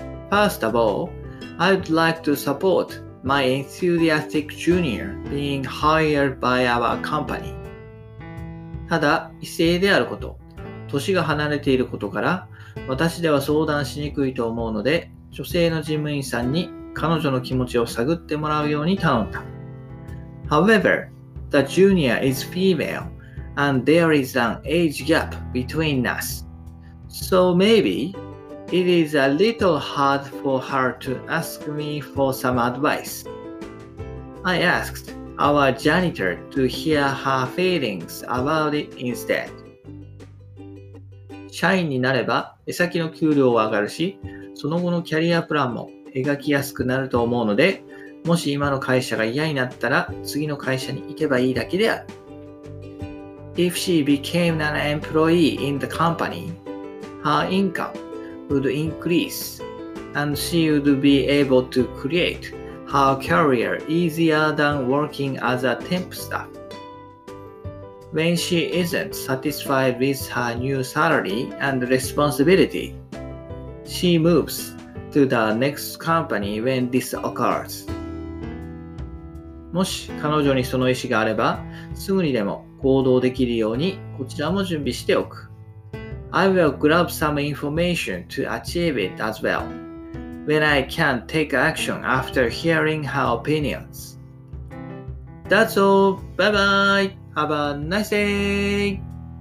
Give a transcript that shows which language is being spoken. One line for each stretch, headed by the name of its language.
English: First of all, I'd like to support my enthusiastic junior being hired by our company.
Japanese: ただ、異性であること、年が離れていることから、私では相談しにくいと思うので、女性の事務員さんに彼女の気持ちを探ってもらうように頼んだ。
English: However, the junior is female, and there is an age gap between us. So maybe it is a little hard for her to ask me for some advice. I asked our janitor to hear her feelings about it instead.
Japanese: 社員になれば、目先の給料は上がるし、その後のキャリアプランも描きやすくなると思うので、もし今の会社が嫌になったら、次の会社に行けばいいだけである。
English: If she became an employee in the company, her income would increase, and she would be able to create her career easier than working as a temp staff. When she isn't satisfied with her new salary and responsibility, she moves to the next company when this occurs.
Japanese: もし彼女にその意思があれば、すぐにでも行動できるようにこちらも準備しておく。
English: I will grab some information to achieve it as well. When I can take action after hearing her opinions. That's all. Bye bye. Have a nice day.